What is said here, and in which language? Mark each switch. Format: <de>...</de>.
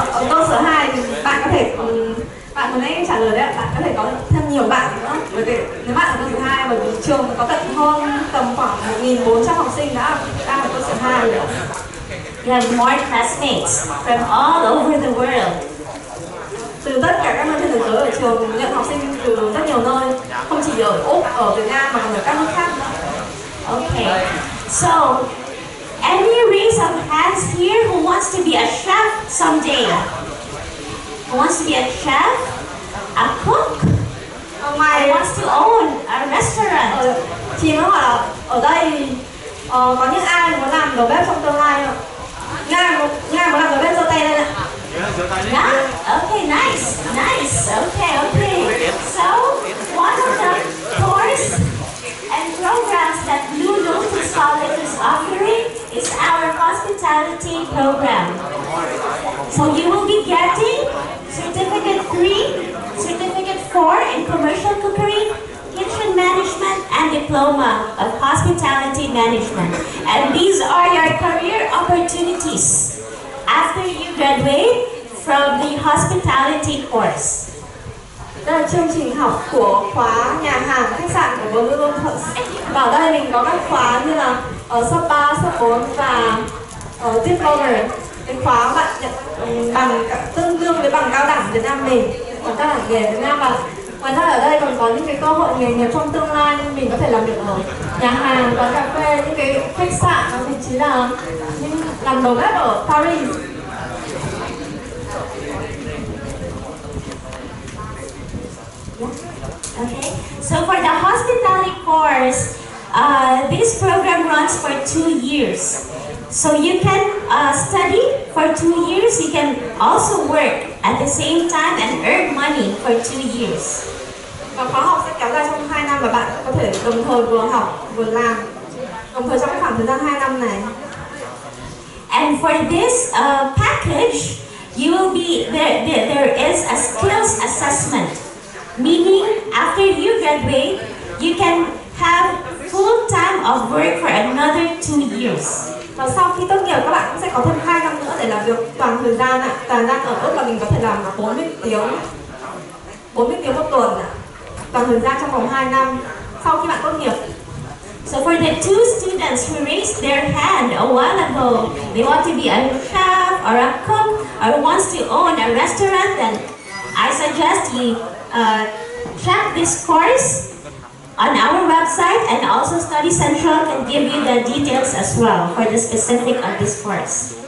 <vi>Câu số 2 thì bạn có thể bạn vừa nãy trả lời đấy, bạn có thể có thêm nhiều bạn nữa. Bởi vì nếu bạn ở câu số 2, bởi vì trường có tận hơn tầm khoảng 1,400 học sinh đã đang ở câu số 2 rồi.</vi> <en>You have more classmates from all over the world.</en> <vi>Từ tất cả các nơi trên thế giới, ở trường nhận học sinh từ rất nhiều nơi, không chỉ ở Úc, ở Việt Nam mà còn ở các nước khác nữa.</vi> <en>Okay, so any raise of hands here who wants to be a chef someday? Who wants to be a chef, a cook, my who wants to own a restaurant?</en> <vi>Chị mới hỏi là ở đây có những ai muốn làm đầu bếp trong tương lai không? Nga muốn làm đầu bếp giơ tay lên ạ.</vi> <en>Yeah, okay, nice. Okay. So, one of the course and programs that Blue Lotus College is offering is our hospitality program. So you will be getting certificate 3, certificate 4 in commercial cookery, kitchen management, and diploma of hospitality management. And these are your career opportunities after you graduate from the hospitality course.</en> <vi>Đây là chương trình học của khóa nhà hàng khách sạn của Blue Lotus. Và ở đây mình có các khóa như là ở sub 3, sub 4 và ở diploma. Cái khóa bạn nhận bằng tương đương với bằng cao đẳng Việt Nam mình, bằng cao đẳng nghề Việt Nam. Và ngoài ra ở đây còn có những cái cơ hội nghề nghiệp trong tương lai, mình có thể làm việc ở nhà hàng, quán cà phê, những cái khách sạn, và thậm chí là những làm đầu bếp ở Paris.</vi> <en>Okay, so for the hospitality course, this program runs for 2 years. So you can study for 2 years, you can also work at the same time and earn money for 2 years.</en> <vi>Và khóa học sẽ kéo dài trong 2 năm và bạn có thể đồng thời vừa học vừa làm, đồng thời trong khoảng thời gian 2 năm này.</vi> <en>And for this package, you will be there is a skills assessment. Meaning, after you graduate, you can have full time of work for another 2 years.</en> <vi>Và sau khi tốt nghiệp, các bạn cũng sẽ có thêm 2 năm nữa để làm việc toàn thời gian ạ. Toàn gian ở Úc là mình có thể làm 40 tiếng một tuần ạ. Toàn thời gian trong vòng 2 năm sau khi bạn tốt nghiệp.</vi> <en>So for the two students who raised their hand a while ago, they want to be a chef or a cook or wants to own a restaurant, then I suggest you check this course on our website, and also Study Central can give you the details as well for the specific of this course.</en>